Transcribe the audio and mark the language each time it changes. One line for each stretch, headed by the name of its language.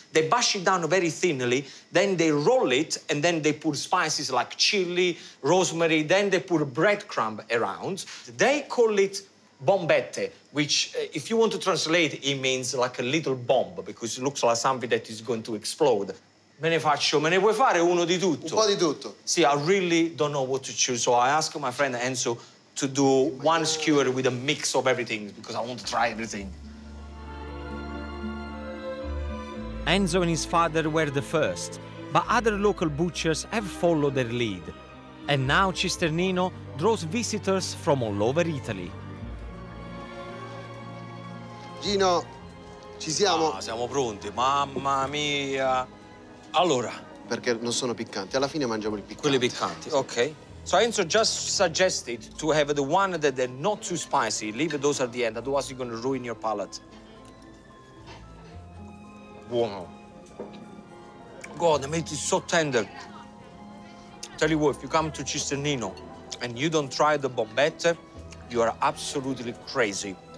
English: They bash it down very thinly, then they roll it, and then they put spices like chili, rosemary, then they put breadcrumb around. They call it bombette, which, if you want to translate, it means like a little bomb, because it looks like something that is going to explode.
Italian: Me ne faccio, me ne vuoi fare uno di tutto? Un po' di tutto.
English: Sì, I really don't know what to choose, so I asked my friend Enzo to do one skewer with a mix of everything, because I want to try everything. Enzo and his father were the first, but other local butchers have followed their lead. And now Cisternino draws visitors from all over Italy.
Italian: Gino, ci siamo? Ah, siamo pronti, mamma mia! Allora, perché non sono piccanti, alla fine mangiamo il piccante. Quelli piccanti, ok.
English: So Enzo just suggested to have the one that they're not too spicy. Leave those at the end, otherwise you're going to ruin your palate.
Italian: Buono.
English: God, the meat is so tender. Tell you what, if you come to Cisternino and you don't try the bombette, you are absolutely crazy.